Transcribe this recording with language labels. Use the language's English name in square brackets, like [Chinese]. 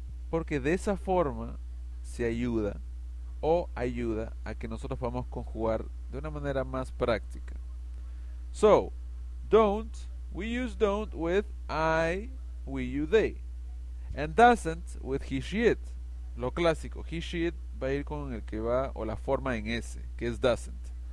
[Spanish] Porque de esa forma se ayuda o ayuda a que nosotros podamos conjugar de una manera más práctica. [English] So, don't, we use don't with I, we, you, they. And doesn't with he, she, it. [Spanish] Lo clásico, he, she, it va a ir con el que va o la forma en S, que es doesn't.